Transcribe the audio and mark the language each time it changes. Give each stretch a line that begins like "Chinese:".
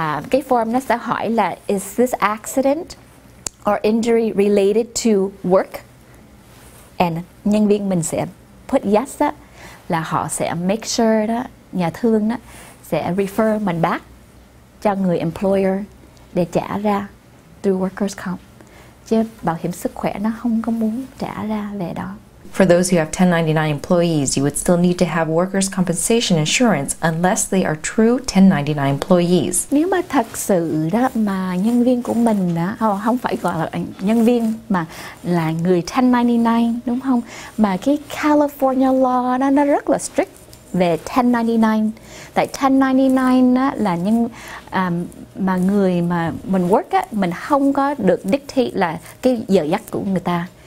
Vietnamese: Cái form nó sẽ hỏi là
English: is this accident or injury related to work,
Vietnamese: and nhân viên mình sẽ
English: put yes
Vietnamese: đó, là họ sẽ
English: make sure
Vietnamese: đó, nhà thương đó, sẽ refer mình back cho người employer để trả ra
English: through workers comp.
Vietnamese: Chứ bảo hiểm sức khỏe nó không có muốn trả ra về đó.
English: For those who have 1099 employees, you would still need to have workers' compensation insurance unless they are true 1099 employees.
Vietnamese: Nếu mà thật sự đó mà nhân viên của mình đó, không phải gọi là nhân viên mà là người 1099 đúng không? Mà cái California law đó nó rất là strict về 1099. Tại 1099 đó là nhân mà người mà mình work á, mình không có được dictate là cái giờ giấc của người ta.